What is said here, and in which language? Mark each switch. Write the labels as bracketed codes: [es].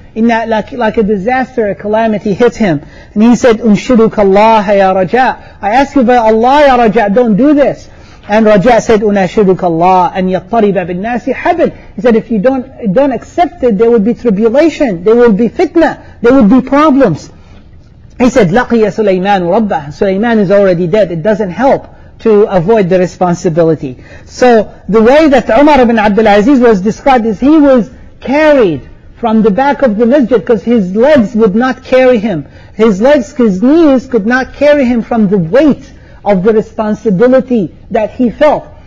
[en] Inna, like a disaster, a calamity hit him. And he said, [ar] Unshiduka Allah ya Raja'. [en] I ask you by Allah ya Raja', don't do this. And Raja said, [ar] أُنَاشِدُكَ اللَّهُ أَنْ يَطَّرِبَ بِالنَّاسِ حَبْلٌ. [en] He said, if you don't accept it, there will be tribulation, there will be fitna, there will be problems. [ar] He said, لَقِيَ سُلَيْمَانُ رَبَّهُ. [en] Sulaiman is already dead. It doesn't help to avoid the responsibility. So the way that Umar ibn Abdul Aziz was described is he was carried from the back of the masjid because his legs would not carry him. His knees could not carry him from the weight of the responsibility that he felt.